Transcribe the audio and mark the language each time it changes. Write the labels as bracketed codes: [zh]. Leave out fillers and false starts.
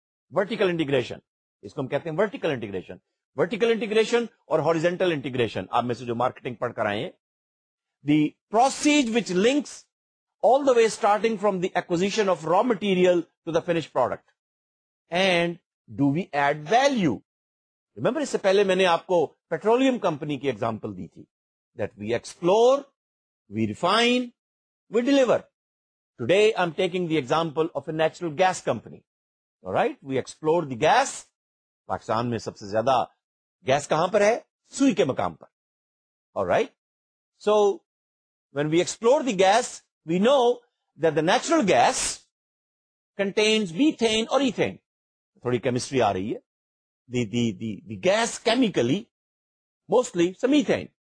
[en] Vertical integration. [ur] Isko hum kehte hain [en] vertical integration. Vertical integration or horizontal integration. [ur] Aap mein se jo marketing padh kar aaye hain. [en] The process which links all the way starting from the acquisition of raw material to the finished product. And do we add value? [ur] Remember, اس سے پہلے میں نے آپ کو petroleum company کی example دی تھی, [en] That we explore, we refine, we deliver. Today I am taking the example of a natural gas company. Right, we explore the gas. [ur] Pakistan میں سب سے زیادہ گیس کہاں پر ہے؟ سوئی کے مقام پر. [en] Right, so when we explore the gas, we know that the natural gas contains methane اور ethane. [ur] تھوڑی کیمسٹری آ رہی ہے. [en] The gas chemically, mostly it's a methane.